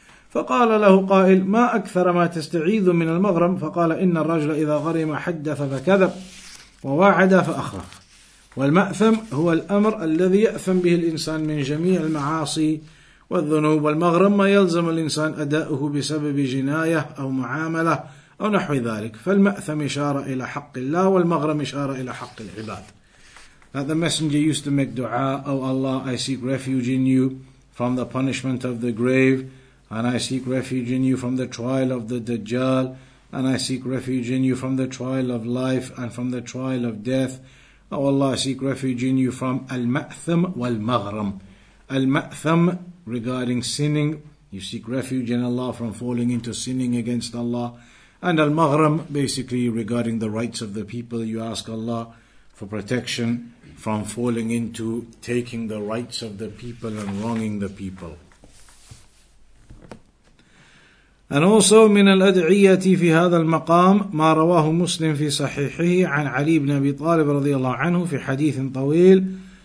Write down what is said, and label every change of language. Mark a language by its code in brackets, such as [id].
[ar] فقال له قائل ما أكثر ما تستعيذ من المغرم فقال إن الرجل إذا غرم حدث فكذب ووعد فأخرف والمأثم هو الأمر الذي يأثم به الإنسان من جميع المعاصي والذنوب والمغرم ما يلزم الإنسان أداؤه بسبب جناية أو معاملة أو نحو ذلك فالمأثم إشارة إلى حق الله والمغرم إشارة إلى حق العباد. [en] That the messenger used to make dua, oh Allah, I seek refuge in you from the punishment of the grave, and I seek refuge in you from the trial of the Dajjal, and I seek refuge in you from the trial of life and from the trial of death. O Allah, I seek refuge in you from al-ma'tham wal-maghram. Al-ma'tham, regarding sinning, you seek refuge in Allah from falling into sinning against Allah. And al-maghram, basically regarding the rights of the people, you ask Allah for protection from falling into taking the rights of the people and wronging the people. And also [ar] من الأدعية في هذا المقام ما رواه مسلم في صحيحه عن علي بن أبي طالب رضي الله عنه في حديث طويل.